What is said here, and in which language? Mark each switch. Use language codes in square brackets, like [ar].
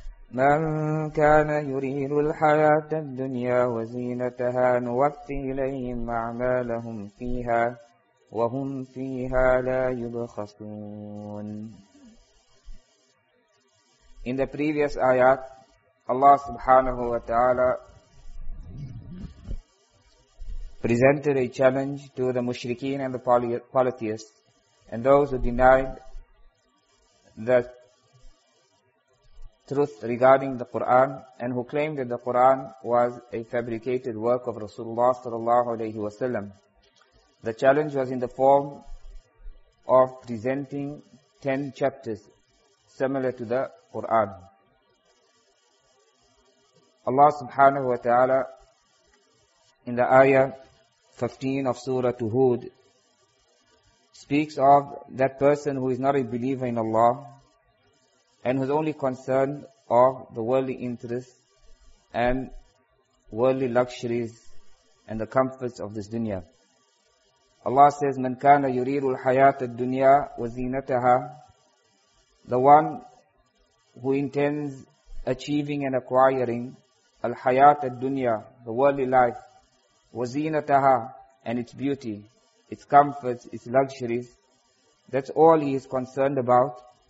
[ar] من كان يريد الحياة الدنيا وزينتها نوفي إليهم أعمالهم فيها وهم فيها لا يبخسون. [en] In the previous ayat, Allah subhanahu wa ta'ala presented a challenge to the mushrikeen and the polytheists and those who denied the truth regarding the Qur'an and who claimed that the Qur'an was a fabricated work of Rasulullah sallallahu alayhi wa sallam. The challenge was in the form of presenting 10 chapters similar to the Qur'an. Allah subhanahu wa ta'ala in the ayah 15 of Surah Hud speaks of that person who is not a believer in Allah and who's only concerned of the worldly interests and worldly luxuries and the comforts of this dunya. Allah says, [ar] مَنْ كَانَ يُرِيرُ الْحَيَاةَ الدُّنْيَا وَزِينَتَهَا. [en] The one who intends achieving and acquiring [ar] الْحَيَاةَ الدُّنْيَا, [en] the worldly life, وَزِينَتَهَا, and its beauty, its comforts, its luxuries, that's all he is concerned about.